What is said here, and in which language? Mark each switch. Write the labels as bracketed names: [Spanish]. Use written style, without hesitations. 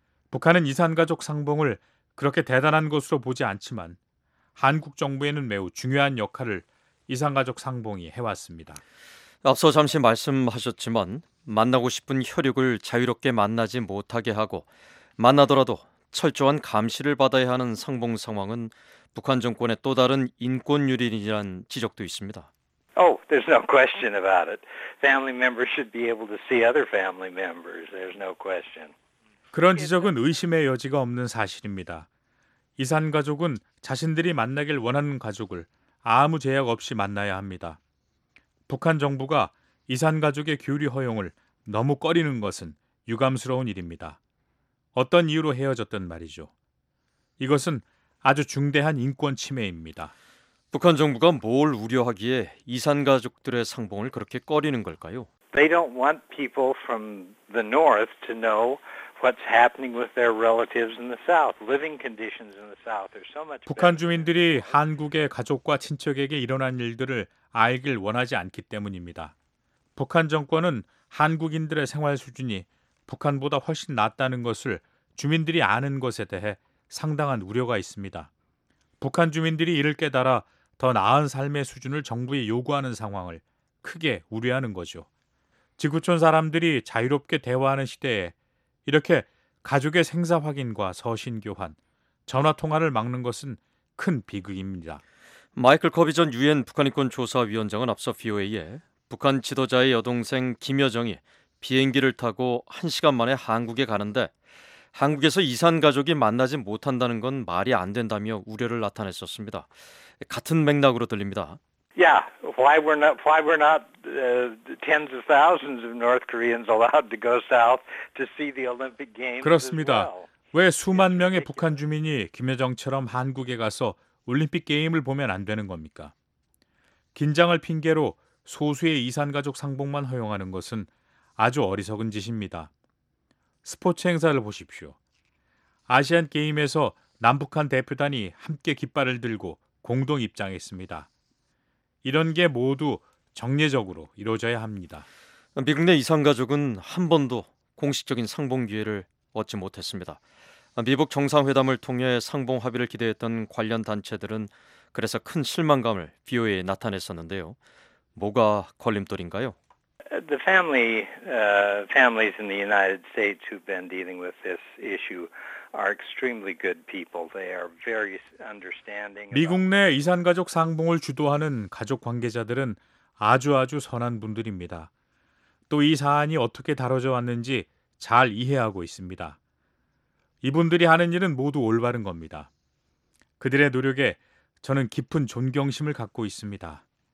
[Korean] 북한은 이산가족 상봉을 그렇게 대단한 것으로 보지 않지만 한국 정부에는 매우 중요한 역할을 이산가족 상봉이 해왔습니다. 앞서 잠시 말씀하셨지만 만나고 싶은 혈육을 자유롭게 만나지 못하게 하고 만나더라도 철저한 감시를 받아야 하는 상봉 상황은 북한 정권의 또 다른 인권 유린이라는 지적도 있습니다. [English] Oh, there's no question about it. Family members should be able to see other family members. There's no question. [Korean] 그런 지적은 의심의 여지가 없는 사실입니다. 이산가족은 자신들이 만나길 원하는 가족을 아무 제약 없이 만나야 합니다. 북한 정부가 이산가족의 교류 허용을 너무 꺼리는 것은 유감스러운 일입니다. 어떤 이유로 헤어졌든 말이죠. 이것은 아주 중대한 인권 침해입니다. 북한 정부가 뭘 우려하기에 이산가족들의 상봉을 그렇게 꺼리는 걸까요? [English] They don't want people from the north to know what's happening with their relatives in the south. Living conditions in the south are so much. [Korean] 북한 주민들이 한국의 가족과 친척에게 일어난 일들을 알길 원하지 않기 때문입니다. 북한 정권은 한국인들의 생활 수준이 북한보다 훨씬 낮다는 것을 주민들이 아는 것에 대해 상당한 우려가 있습니다. 북한 주민들이 이를 깨달아 더 나은 삶의 수준을 정부에 요구하는 상황을 크게 우려하는 거죠. 지구촌 사람들이 자유롭게 대화하는 시대에 이렇게 가족의 생사 확인과 서신 교환, 전화 통화를 막는 것은 큰 비극입니다. 마이클 커비 전 유엔 북한인권조사위원장은 앞서 VOA에 북한 지도자의 여동생 김여정이 비행기를 타고 1시간 만에 한국에 가는데 한국에서 이산가족이 만나지 못한다는 건 말이 안 된다며 우려를 나타냈었습니다. 같은 맥락으로 들립니다. [English] Yeah, why we're not tens of thousands of North Koreans allowed to go south to see the Olympic Games? [Korean] 그렇습니다. 왜 수만 명의 북한 주민이 김여정처럼 한국에 가서 올림픽 게임을 보면 안 되는 겁니까? 긴장을 핑계로 소수의 이산가족 상봉만 허용하는 것은 아주 어리석은 짓입니다. 스포츠 행사를 보십시오. 아시안 게임에서 남북한 대표단이 함께 깃발을 들고 공동 입장했습니다. 이런 게 모두 정례적으로 이루어져야 합니다. 미국 내 이산가족은 한 번도 공식적인 상봉 기회를 얻지 못했습니다. 미북 정상회담을 통해 상봉 합의를 기대했던 관련 단체들은 그래서 큰 실망감을 VOA에 나타냈었는데요. 뭐가 걸림돌인가요? [English] The families in the United States who've been dealing with this issue are extremely good people. They are very understanding. [Korean] 미국 내 이산가족 상봉을 주도하는 가족 관계자들은 아주 선한 분들입니다. 또 이 사안이 어떻게 다뤄져 왔는지 잘 이해하고 있습니다. 이분들이 하는 일은 모두 올바른 겁니다. 그들의 노력에 저는 깊은 존경심을 갖고 있습니다.